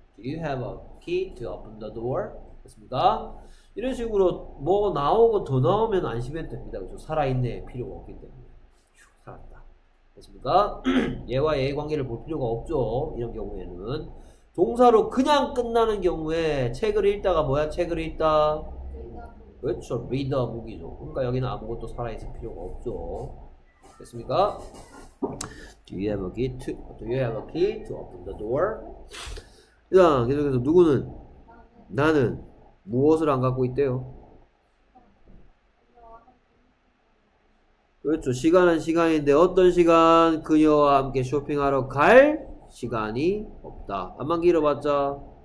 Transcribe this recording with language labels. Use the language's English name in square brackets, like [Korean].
[English] Do you have a key to open the door? [Korean] 됐습니다. 이런 식으로 뭐 나오고 더 나오면 안심해도 됩니다. 그렇죠? 살아있네 필요가 없기 때문에 살았다. 됐습니까? 얘와 얘의 관계를 볼 필요가 없죠. 이런 경우에는 동사로 그냥 끝나는 경우에 책을 읽다가 뭐야? 책을 읽다. 그렇죠. [English] Read a book [Korean] 이죠. 그러니까 여기는 아무것도 살아있을 필요가 없죠. 됐습니까? [English] Do you have a key to open the door? [Korean] 자, 계속해서 누구는? 나는 무엇을 안 갖고 있대요? 그렇죠. 시간은 시간인데 어떤 시간? 그녀와 함께 쇼핑하러 갈 시간이 없다. 안만 길어봤자